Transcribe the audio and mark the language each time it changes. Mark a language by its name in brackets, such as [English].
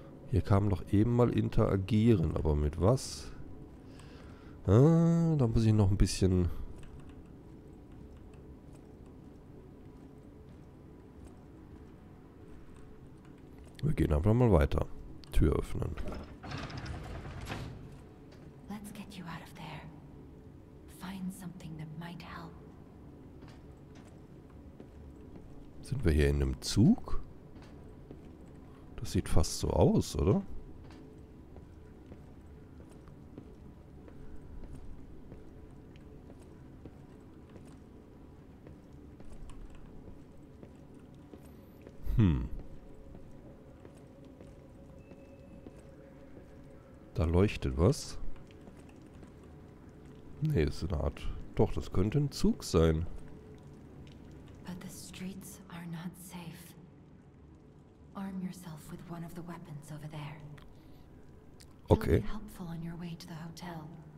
[German] Hier kam noch eben mal interagieren, aber mit was? Ah, da muss ich noch ein bisschen... Wir gehen einfach mal weiter. Tür öffnen. [English] Let's get you out of there. Find something that might help. [German] Sind wir hier in einem Zug? Das sieht fast so aus, oder? Da leuchtet was? Nee, ist eine Art. Doch, das könnte ein Zug sein. [English] But the streets are not safe. Arm yourself with one of the weapons over there. Okay. It'll be helpful on your way to the hotel.